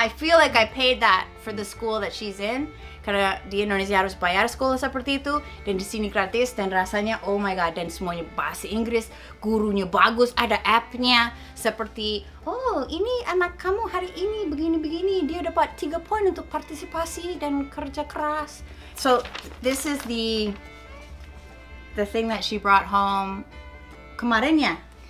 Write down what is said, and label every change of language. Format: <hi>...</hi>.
<en>I feel like I paid that for the school that she's in.</en> <id>Karena di Indonesia harus bayar sekolah seperti itu, dan di sini gratis, dan rasanya</id> <en>oh my god,</en> <id>dan semuanya bahasa Inggris, gurunya bagus, ada app-nya seperti, oh ini anak kamu hari ini begini-begini, dia dapat 3 poin untuk partisipasi dan kerja keras.</id> <en>So this is the thing that she brought home</en> <id>kemarinnya.</id>